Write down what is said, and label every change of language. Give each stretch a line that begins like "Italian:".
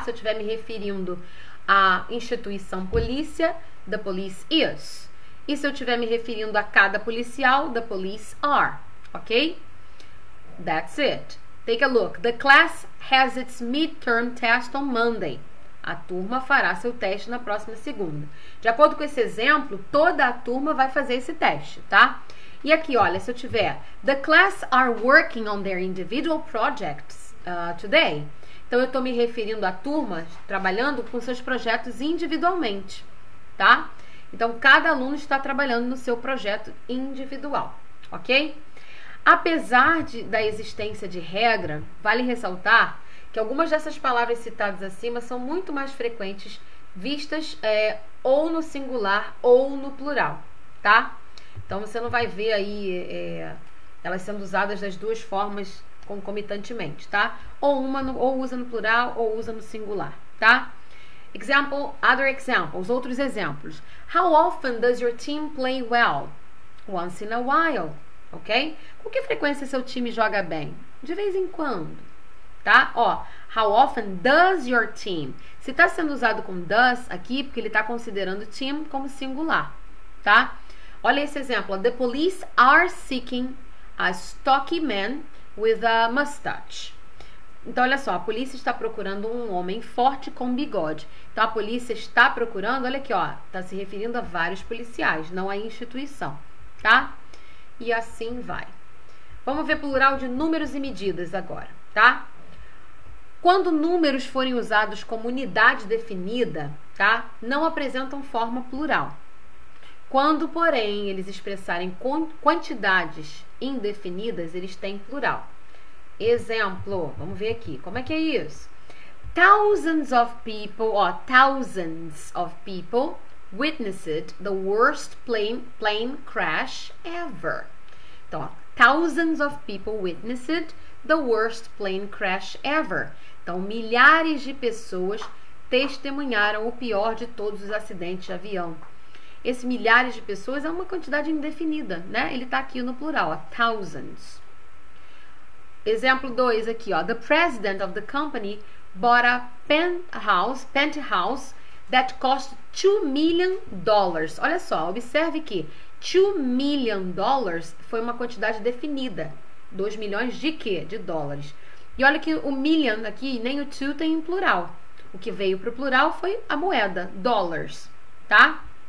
Portuguese: Se eu estiver me referindo à instituição polícia,
English: the police is.
Portuguese: E se eu estiver me referindo a cada policial,
English: the police are, ok? That's it. Take a look. The class has its midterm test on Monday.
Portuguese: A turma fará seu teste na próxima segunda. De acordo com esse exemplo, toda a turma vai fazer esse teste, tá? E aqui, olha, se eu tiver
English: The class are working on their individual projects today.
Portuguese: Então, eu estou me referindo à turma trabalhando com seus projetos individualmente, tá? Então, cada aluno está trabalhando no seu projeto individual, ok? Apesar da existência de regra, vale ressaltar que algumas dessas palavras citadas acima são muito mais frequentes vistas ou no singular ou no plural, tá? Então você não vai ver aí elas sendo usadas das duas formas concomitantemente, tá? Ou uma no, ou usa no plural ou usa no singular, tá?
English: Example, other examples,
Portuguese: outros exemplos.
English: How often does your team play well? Once in a while, ok?
Portuguese: Com que frequência seu time joga bem? De vez em quando, tá? Ó,
English: how often does your team?
Portuguese: Se está sendo usado com does aqui, porque ele está considerando team como singular, tá? Olha esse exemplo.
English: The police are seeking a stocky man with a mustache.
Portuguese: Então, olha só. A polícia está procurando um homem forte com bigode. Então, a polícia está procurando. Olha aqui, ó. Está se referindo a vários policiais, não à instituição, tá? E assim vai. Vamos ver plural de números e medidas agora, tá? Quando números forem usados como unidade definida, tá? Não apresentam forma plural. Quando, porém, eles expressarem quantidades indefinidas, eles têm plural. Exemplo, vamos ver aqui. Como é que é isso?
English: Thousands of people, ó, thousands of people witnessed the worst plane crash ever. Então, ó, thousands of people witnessed the worst plane crash ever.
Portuguese: Então, milhares de pessoas testemunharam o pior de todos os acidentes de avião. Esse milhares de pessoas é uma quantidade indefinida, né? Ele está aqui no plural, ó, thousands. Exemplo 2 aqui,
English: ó. The president of the company bought a penthouse that cost $2 million.
Portuguese: Olha só, observe que $2 million foi uma quantidade definida. 2 milhões de quê? De dólares. E olha que o million aqui, nem o two tem em plural. O que veio para o plural foi a moeda, dólares, tá?